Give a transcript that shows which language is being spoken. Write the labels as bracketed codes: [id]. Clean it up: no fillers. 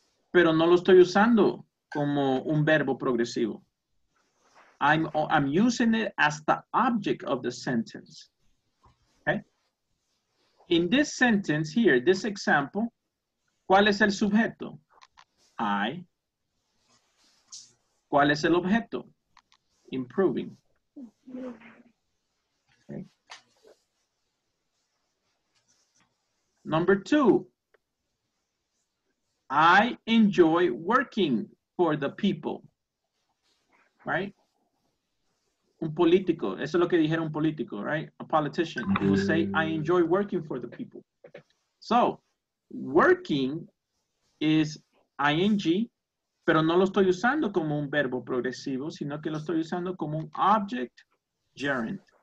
[es] Pero no lo estoy usando como un verbo progresivo. [en] I'm using it as the object of the sentence. Okay? In this sentence here, this example, [es] ¿cuál es el sujeto? [en] I. [es] ¿Cuál es el objeto? Improving. Okay. [en] Number two. I enjoy working for the people. Right? [es] Un político. Eso es lo que dijera un político, right? [en] A politician. He will say, I enjoy working for the people. So, working is ing, [es] pero no lo estoy usando como un verbo progresivo, sino que lo estoy usando como un object gerund.